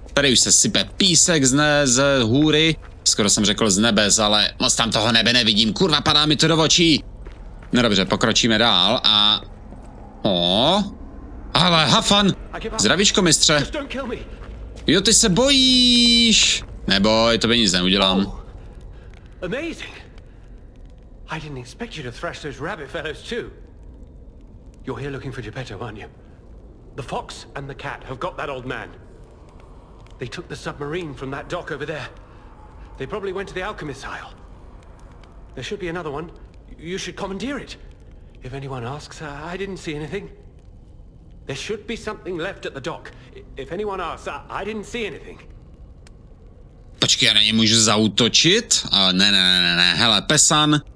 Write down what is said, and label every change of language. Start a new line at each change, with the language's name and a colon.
Czech: Tady už se sype písek z hůry. Skoro jsem řekl z nebes, ale moc tam toho nebe nevidím. Kurva, padá mi to do očí. No dobře, pokročíme dál a... Ale Hafan! Zdravíčko, mistře. Jo, ty se bojíš. Neboj, to by nic neudělám.
English: Amazing. I didn't expect you to thrash those rabbit fellows too. You're here looking for Geppetto, aren't you? The fox and the cat have got that old man. They took the submarine from that dock over there. They probably went to the alchemist's isle. There should be another one. You should commandeer it. If anyone asks, I didn't see anything. There should be something left at the dock. If anyone asks, I didn't see anything.
Czech: Počkej, já na něj můžu zautočit? Ne. Hele, Pesan.